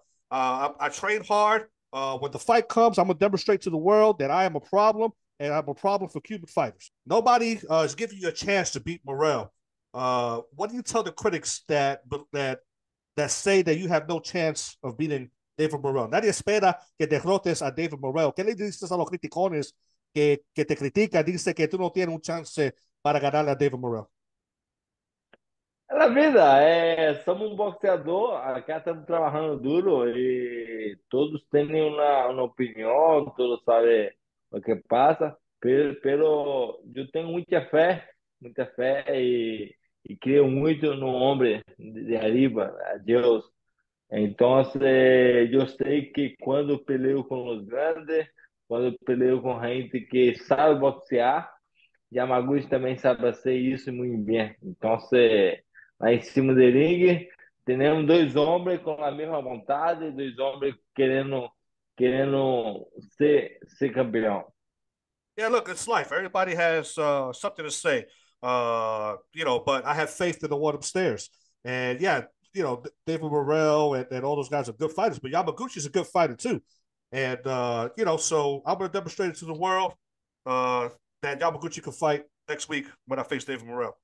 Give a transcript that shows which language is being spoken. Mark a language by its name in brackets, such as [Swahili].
[English] I train hard. When the fight comes, I'm gonna demonstrate to the world that I am a problem, and I'm a problem for Cuban fighters. Nobody is giving you a chance to beat Morrell. What do you tell the critics that say that you have no chance of beating David Morrell? [Spanish] Nadie espera que derrotes a David Morrell. ¿Qué le dices a los criticones que te critica? Dice que tú no tienes un chance para ganarle a David Morrell. [Portuguese] Na vida, somos um boxeador, aqui estamos trabalhando duro e todos têm uma opinião, todos sabem o que passa, pelo eu tenho muita fé e creio muito no homem de arriba, a Deus. Então, eu sei que quando peleio com os grandes, quando peleio com gente que sabe boxear, Yamaguchi também sabe fazer isso muito bem. Então, lá em cima do ringue, temos dois homens com a mesma vontade, dois homens querendo ser campeão. [English] Yeah, look, it's life. Everybody has something to say, but I have faith in the one upstairs. And yeah, David Morrell and all those guys are good fighters, but Yamaguchi is a good fighter too. And so I'm going to demonstrate it to the world that Yamaguchi can fight next week when I face David Morrell.